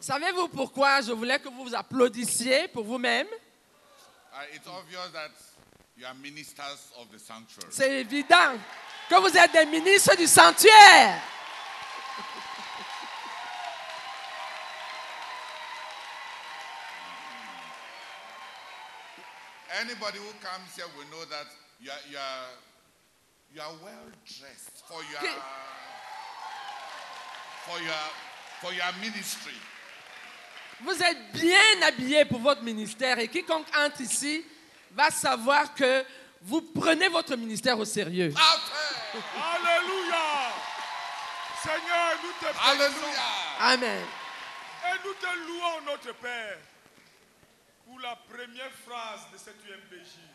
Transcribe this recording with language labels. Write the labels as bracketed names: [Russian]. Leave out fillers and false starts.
[French] Savez-vous pourquoi je voulais que vous applaudissiez pour vous-même? [English] It's obvious that you are ministers of the sanctuary. [French] C'est évident que vous êtes des ministres du sanctuaire. [English] Anybody who comes here will know that you are well dressed for your ministry. [French] Vous êtes bien habillé pour votre ministère et quiconque entre ici va savoir que vous prenez votre ministère au sérieux. Alléluia! Seigneur, nous te bénissons. Alléluia! Amen. Et nous te louons, notre Père, pour la première phrase de cette UMPJ.